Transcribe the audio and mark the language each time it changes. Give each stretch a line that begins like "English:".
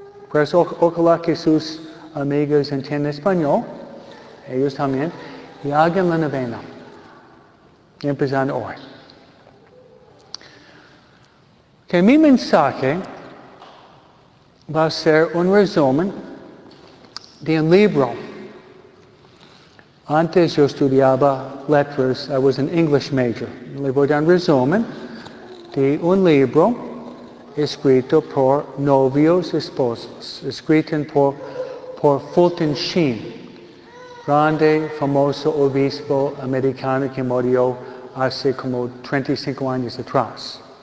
Spanish: Por eso, ojalá que sus amigos entiendan español, ellos también, y hagan la novena, empezando hoy. Que mi mensaje va a ser un resumen de un libro. Antes yo estudiaba letras,
English: I was an English major.
Spanish: Le voy a dar un resumen de un libro escrito por novios esposos, escrito por Fulton Sheen, grande, famoso obispo americano que murió hace como 25 años atrás.